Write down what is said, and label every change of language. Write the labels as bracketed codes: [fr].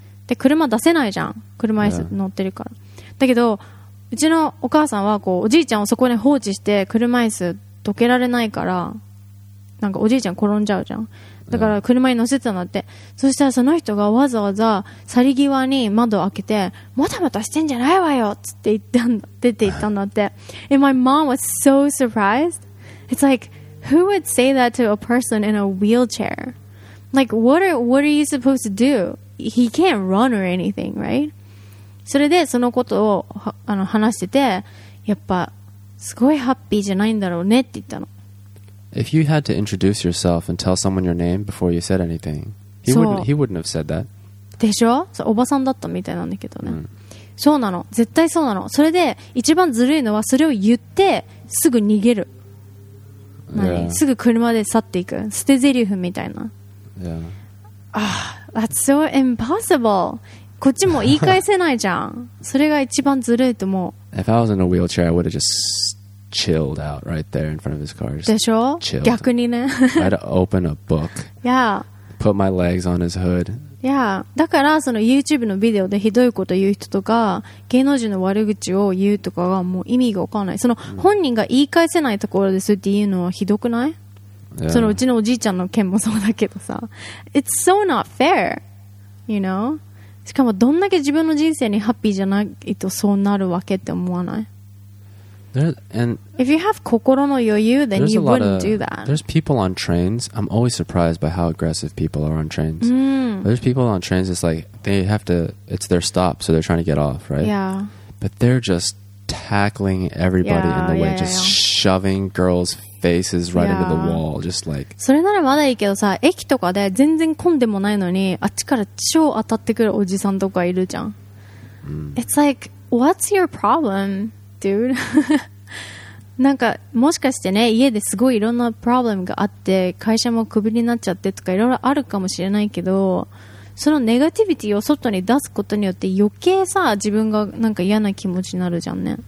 [ja] で車出せないじゃん、車椅子乗ってるから、yeah. だけどうちのお母さんはこうおじいちゃんをそこに放置して車椅子どけられないから、なんかおじいちゃん転んじゃうじゃん。だから車に乗せてたんだって、yeah. そしたらその人がわざわざ去り際に窓を開けて、もたもたしてんじゃないわよつって言ったんだ、出て行ったんだって。 [en] And my mom was so surprisedIt's like, who would say that to a person in a wheelchair? Like, what are you supposed to do? He can't run or anything, right? [ja] それでそのことを話してて、やっぱすごいハッピーじゃないんだろうねって言ったの。 [en] If you had to introduce yourself and tell someone your name before you said anything, he wouldn't have said that. [ja] でしょ？そう、おばさんだったみたいなんだけどね。そうなの。絶対そうなの。それで一番ずるいのはそれを言ってすぐ逃げる。 [en] Yeah. [ja] すぐ車で去っていく、捨て台詞みたいな。 [en] Yeah. Oh, that's so impossible. [ja] こっちも言い返せないじゃん。それが一番ずるいと思う。 [en] If I was in a wheelchair, I would have just chilled out right there in front of his car. [ja] でしょ？逆にね。 [en] I'd open a book. Yeah. Put my legs on his hood. Yeah. [ja] だからその YouTube のビデオでひどいこと言う人とか、芸能人の悪口を言うとかがもう意味がわからない。その本人が言い返せないところですって言うのはひどくない？ [en] Yeah. [ja] そのうちのおじいちゃんの件もそうだけどさ。 [en] It's so not fair. You know? [ja] しかもどんだけ自分の人生にハッピーじゃないとそうなるわけって思わない？ [en] If you have 心の余裕, then you wouldn't do that. There's people on trains. I'm always surprised by how aggressive people are on trains. Mm. There's people on trains, it's like they have to, it's their stop, so they're trying to get off, right? Yeah. But they're just tackling everybody yeah, in the way, yeah, just yeah. shoving girls' faces right yeah. into the wall, just like... [ja] それならまだいいけどさ、駅とかで全然混んでもないのに、あっちから超当たってくるおじさんとかいるじゃん。 [en] It's like, what's your problem? Dude. [ja] なんかもしかしてね、家ですごいいろんなプロブレムがあって会社もクビになっちゃってとかいろいろあるかもしれないけど、そのネガティビティを外に出すことによって余計さ自分がなんか嫌な気持ちになるじゃんね。